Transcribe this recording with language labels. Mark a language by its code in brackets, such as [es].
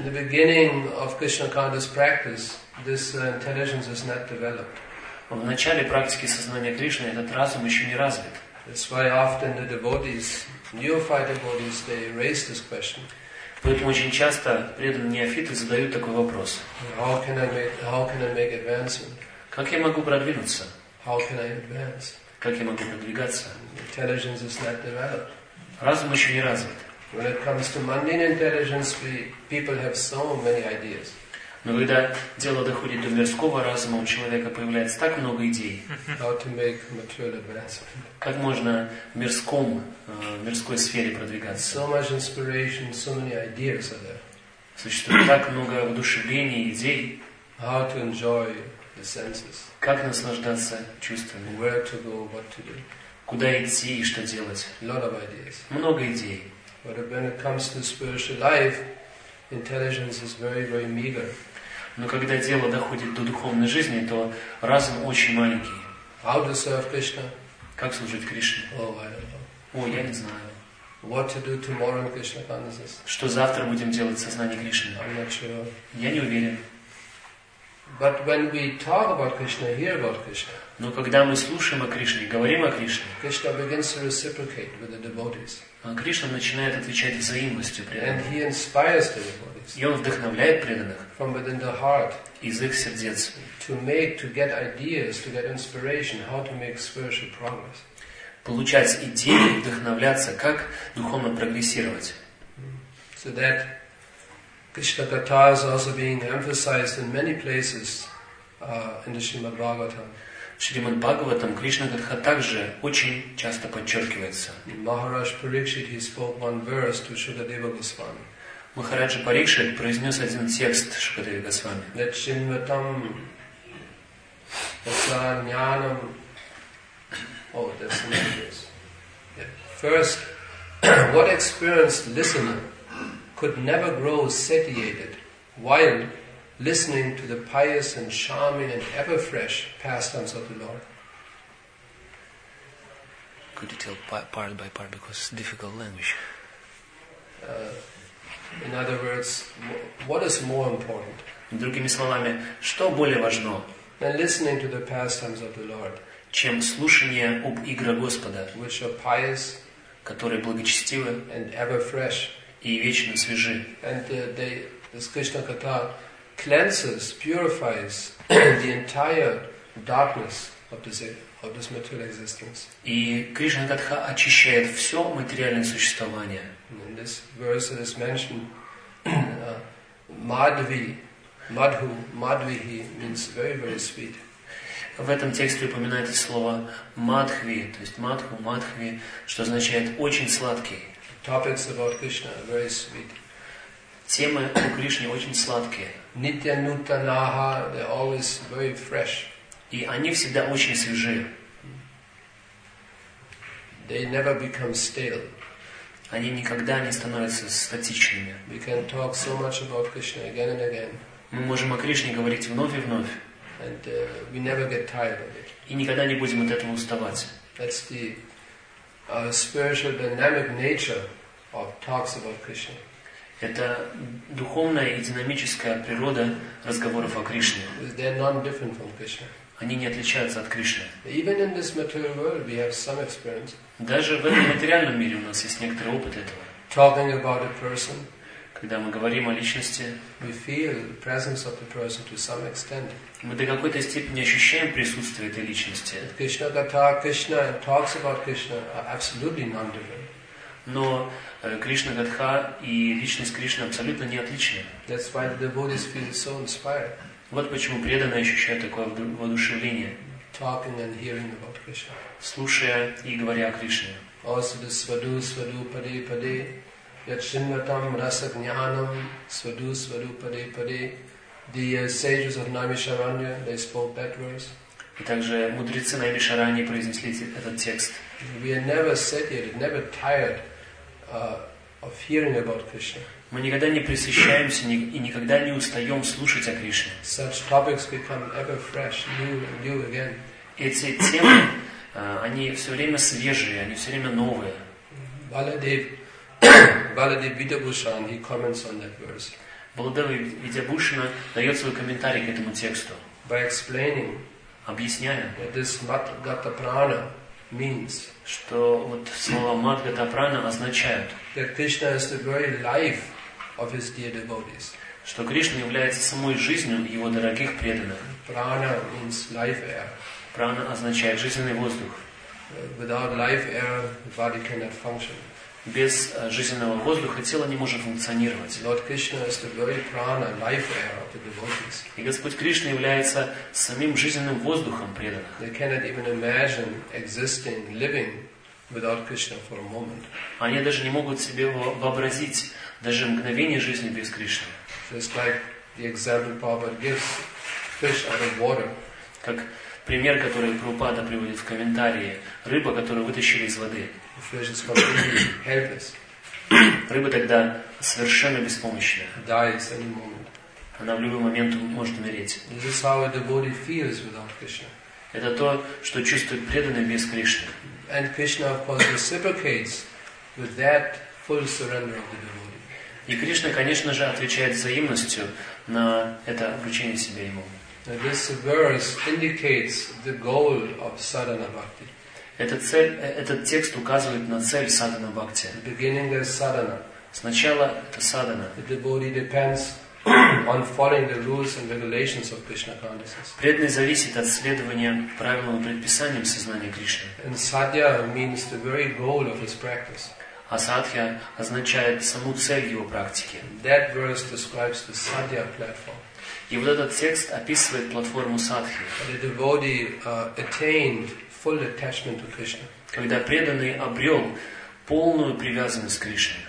[en] In the beginning of Krishna consciousness practice, this intelligence is not developed. [ru] В начале практики сознания Кришны этот разум еще не развит. [en] That's why often the devotees, neophyte devotees, they raise this question. [ru] Поэтому очень часто преданные неофиты задают такой вопрос. [en] How can I make advancement? [ru] Как я могу продвинуться? [en] How can I advance? [ru] Как я могу продвигаться? [en] Intelligence is not developed. [ru] Разум еще не развит. [en] When it comes to mundane intelligence, people have so many ideas. [ru] Но когда дело доходит до мирского разума, у человека появляется так много идей. [en] How to make material advancement. [ru] Как можно в мирском, мирской сфере продвигаться? [en] So much inspiration, so many ideas are there. [ru] Существует так много воодушевлений, идей. [en] How to enjoy the senses. [ru] Как наслаждаться чувствами? [en] Where to go, what to do. [ru] Куда идти и что делать? [en] Lot of ideas. [ru] Много идей. [en] But when it comes to spiritual life, intelligence is very, very meager. [ru] Но когда дело доходит до духовной жизни, то разум очень маленький. [en] How to serve Krishna? [ru] Как служить Кришне? [en] Oh, I don't know. [ru] О, я не знаю. [en] What to do tomorrow in Krishna consciousness? [ru] Что завтра будем делать в сознании Кришны? [en] I'm not sure. [ru] Я не уверен. [en] But when we talk about Krishna, hear about Krishna. [ru] Но когда мы слушаем о Кришне, говорим о Кришне, [en] Krishna begins to reciprocate with the devotees. [ru] Кришна начинает отвечать взаимностью преданных. [en] And he inspires the devotees. [ru] И он вдохновляет преданных. [en] From within the heart. [ru] Из их сердец. [en] To get ideas, to get inspiration, how to make spiritual progress. [ru] Получать идеи, вдохновляться, как духовно прогрессировать. [en] So that Krishna Katha is also being emphasized in many places in the Srimad Bhagavatam. [ru] В Шримад Бхагаватам Кришна Катха также очень часто подчеркивается. [en] Махарадж Парикшит, he spoke one verse to Шукадева Госвами. [ru] Махараджа Парикшит произнес один текст Шукадеве Госвами. [sa] That Shinvatam Asa Jnanam. [en] Oh, that's another verse. Yeah. First, what experienced listener could never grow satiated while listening to the pious and charming and ever fresh pastimes of the Lord. Could you tell part by part because it's difficult language? In other words, what is more important? [ru] Другими словами, что более важно? [en] Than listening to the pastimes of the Lord. [ru] Чем слушание об играх Господа, [en] which are pious, [ru] которые благочестивы, [en] and ever fresh, [ru] и вечно свежи. [en] And this Krishna Katha cleanses, purifies the entire darkness of this material existence. [ru] И Кришна Катха очищает все материальное существование. [en] In this verse it is mentioned Madhvi, Madhu, Madhvihi means very, very sweet. [ru] В этом тексте упоминается слово Мадхви, то есть Мадху, Мадхви, что означает очень сладкий. [en] Topics about Krishna are very sweet. [ru] Темы о Кришне очень сладкие. [en] Nitya Nutanaha, they're always very fresh. [ru] И они всегда очень свежи. [en] They never become stale. [ru] Они никогда не становятся статичными. [en] We can talk so much about Krishna again and again. [ru] Мы можем о Кришне говорить вновь и вновь. [en] And we never get tired of it. [ru] И никогда не будем от этого уставать. [en] That's the spiritual dynamic nature of talks about Krishna. [ru] Это духовная и динамическая природа разговоров о Кришне. [en] They're non-different from Krishna. [ru] Они не отличаются от Кришны. [en] Even in this material world, we have some experience. [ru] Даже в этом материальном мире у нас есть некоторый опыт этого. [en] Talking about a person, [ru] когда мы говорим о личности, [en] we feel the presence of the person to some extent. [ru] Мы до какой-то степени ощущаем присутствие этой личности. [en] Krishna Katha, Krishna and talks about Krishna are absolutely non-different. [ru] Но Кришна Катха и личность Кришны абсолютно не отличны. [en] That's why the devotees feel so inspired. [ru] Вот почему преданные ощущают такое воодушевление. [en] Talking and hearing about Krishna. [ru] Слушая и говоря о Кришне. [sa] Also the svadhu, svadhu, pade, pade. Yachinvatam rasa jnanam. Svadhu, svadhu, pade, pade. [en] The sages of Naimisharanya, they spoke that verse. [ru] И также мудрецы Наимишараньи произнесли этот текст. [en] We are never satiated, never tired of hearing about Krishna. [ru] Мы никогда не пресыщаемся и никогда не устаем слушать о Кришне. [en] Such topics become ever fresh, new and new again. [ru] Эти темы, они все время свежие, они все время новые. [en] Баладев Видябхушан, he comments on that verse. [ru] Баладев Видябхушана дает свой комментарий к этому тексту. [en] By explaining, [ru] объясняя, [en] that this Madgata Prana means, [ru] что вот слово Madgata Prana означает, [en] that Krishna is the very life of his dear devotees. [ru] Что Кришна является самой жизнью его дорогих преданных. [en] Prana means life air. [ru] Прана означает жизненный воздух. [en] Without life air, the body cannot function. [ru] Без жизненного воздуха тело не может функционировать. [en] Lord Krishna is the very prana, life air of the devotees. [ru] И Господь Кришна является самим жизненным воздухом преданных. [en] They cannot even imagine existing, living without Krishna for a moment. [ru] Они даже не могут себе вообразить даже мгновение жизни без Кришны. [en] Just like the example Prabhupada gives, fish out of water. [ru] Как пример, который Прабхупада приводит в комментарии, рыба, которую вытащили из воды. [en] The fish is completely helpless. [ru] Рыба тогда совершенно беспомощная. [en] Dies any moment. [ru] Она в любой момент может умереть. [en] This is how a devotee feels without Krishna. [ru] Это то, что чувствует преданный без Кришны. [en] And Krishna, of course, reciprocates with that full surrender of the devotee. [ru] И Кришна, конечно же, отвечает взаимностью на это вручение себя ему. [en] This verse indicates the goal of sadhana bhakti. [ru] Этот текст указывает на цель садхана бхакти. [en] The beginning is sadhana. [ru] Сначала это садхана. [en] The devotee depends on following the rules and regulations of Krishna consciousness. [ru] Преданный зависит от следования правилам и предписаниям сознания Кришны. [en] And sadhya means the very goal of his practice. [ru] А садхья означает саму цель его практики. [en] That verse describes the sadhya platform. [ru] И вот этот текст описывает платформу садхи. [en] The devotee attained full attachment to Krishna. [ru] Когда преданный обрел полную привязанность к Кришне.